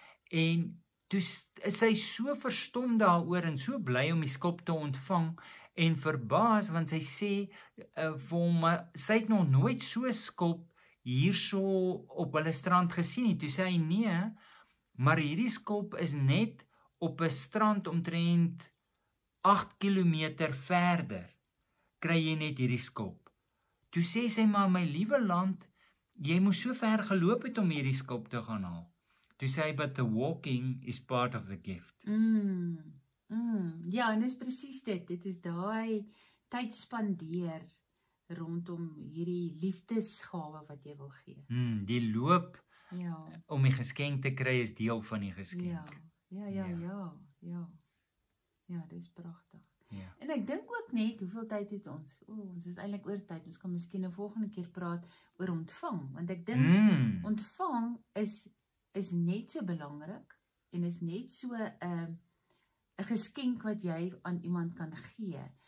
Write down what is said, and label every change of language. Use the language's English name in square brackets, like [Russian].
[Afrikaans] En toe is sy so verstom daaroor en so bly om die skulp te ontvang en verbaas, want sy sê vir hom, sy het nog nooit so 'n skulp hierso op hulle strand gesien nie. Toe sê hy nee, maar hierdie skulp is net op 'n strand omtrent 8 km verder, kry jy net hierdie skulp. Toe sê sy, maar my liewe land, Jy moes so ver geloop het om hierdie skulp te gaan haal. [English] To say, but the walking is part of the gift. [Afrikaans] Ja, en dis precies dit. Dit is daai tyd spandeer rondom hierdie liefdesgawe wat jy wil gee. Die loop om die geskenk te kry is deel van die geskenk. Ja, dis prachtig. Ja. En ek dink ook net, hoeveel tyd het ons? Ons is eintlik oor tyd. Ons kan miskien een volgende keer praat oor ontvang. Want ek dink, ontvang is net so belangrik en is net so een geskenk wat jy aan iemand kan gee.